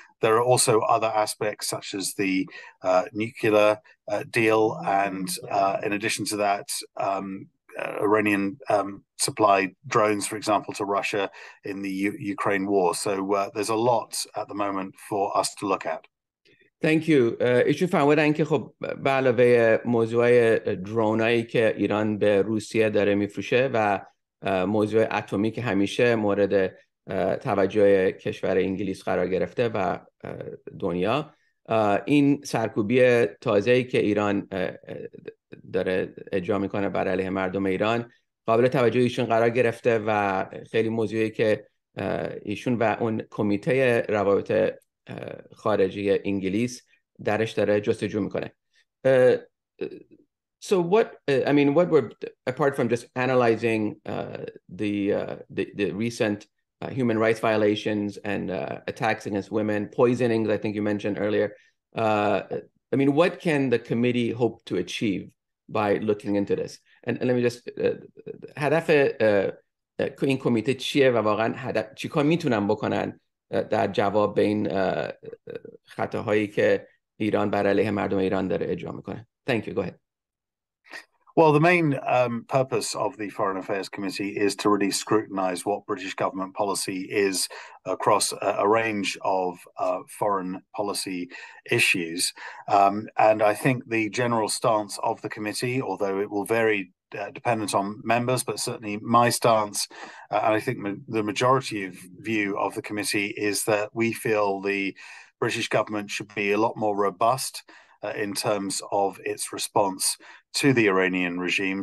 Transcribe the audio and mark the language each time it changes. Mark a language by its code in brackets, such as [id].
[en] There are also other aspects such as the nuclear deal, and in addition to that, Iranian supply drones, for example, to Russia in the Ukraine war. So there's a lot at the moment for us to look at. Thank you. [fa] ایشون فرمودن که خب به علاوه موضوع درونایی که ایران به روسیه داره میفروشه و موضوع اتمی که همیشه مورد توجه کشور انگلیس قرار گرفته و دنیا، این سرکوبی تازه‌ای که ایران داره اجرا میکنه بر علیه مردم ایران قابل توجه ایشون قرار گرفته، و خیلی موضوعی که ایشون و اون کمیته روابط خارجی انگلیس درش داره جستجو میکنه. [en] So what I mean, what were apart from just analyzing the recent human rights violations and attacks against women, poisonings, I think you mentioned earlier, what can the committee hope to achieve by looking into this. And let me just [fa] هدف این کمیته چیه و واقعا هدف چیکار میتونن بکنن در جواب به این خطاهایی که ایران بر علیه مردم ایران داره اجرا میکنه. [en] Thank you, go ahead. Well, the main purpose of the Foreign Affairs Committee is to really scrutinize what British government policy is across a range of foreign policy issues. And I think the general stance of the committee, although it will vary dependent on members, but certainly my stance, and I think the majority of view of the committee, is that we feel the British government should be a lot more robust in terms of its response to the Iranian regime.